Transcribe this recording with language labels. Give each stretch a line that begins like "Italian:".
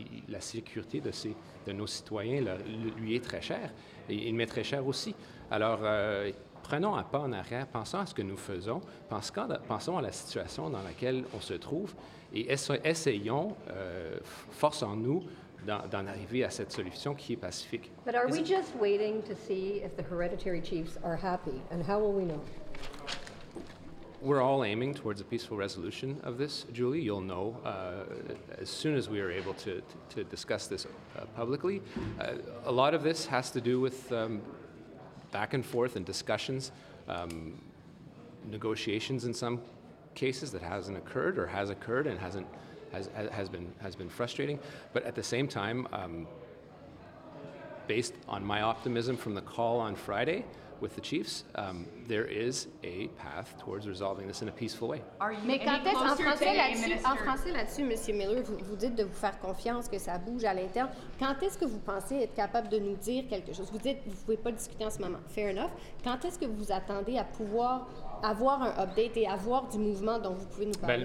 French: La sécurité de nos citoyens lui est très chère. Il m'est très cher aussi. Alors, prenons un pas en arrière, pensons à ce que nous faisons, pensons à la situation dans laquelle on se trouve et essayons, forçons-nous, d'en arriver à cette solution qui est pacifique.
English: But are we just waiting to see if the hereditary chiefs are happy? And how will we know? We're all aiming towards a peaceful resolution of this, Julie. You'll know as soon as we are able to discuss this publicly. A lot of this has to do with back and forth and discussions, negotiations in some cases that hasn't occurred or has occurred and has been frustrating. But at the same time, based on my optimism from the call on Friday with the chiefs, there is a path towards resolving this in a peaceful way.
French: Mais quand est-ce en français là-dessus, Monsieur Miller, vous dites de vous faire confiance que ça bouge à l'interne. Quand est-ce que vous pensez être capable de nous dire quelque chose? Vous dites vous pouvez pas discuter en ce moment.
English: Fair enough.
French: Quand est-ce que vous attendez à pouvoir avoir un update et avoir du mouvement dont vous pouvez nous parler?